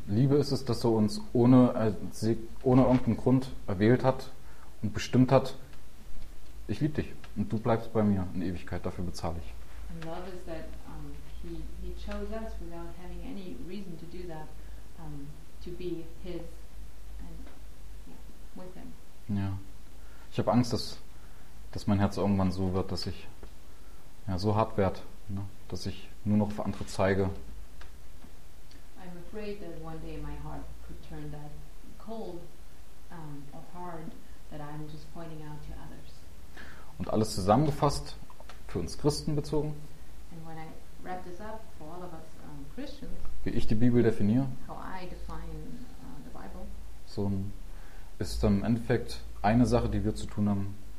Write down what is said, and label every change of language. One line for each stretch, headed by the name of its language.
German: So, Liebe ist es, dass er uns ohne irgendeinen Grund erwählt hat und bestimmt hat, ich liebe dich und du bleibst bei mir in Ewigkeit, dafür bezahle ich.
English: And love is that he chose us without having any reason to do that, to be his and with him.
German: Ja. Ich habe Angst, dass mein Herz irgendwann so wird, dass ich so hart wert, ne? Dass ich nur noch für andere zeige.
English: I'm afraid that one day my heart could turn that cold or hard that I'm just pointing out to others.
German: Und alles zusammengefasst, für uns Christen bezogen.
English: And when I wrap this up for all of us Christians,
German: wie ich die Bibel definiere,
English: how I define the Bible,
German: so ist dann im Endeffekt eine Sache, die wir zu tun haben.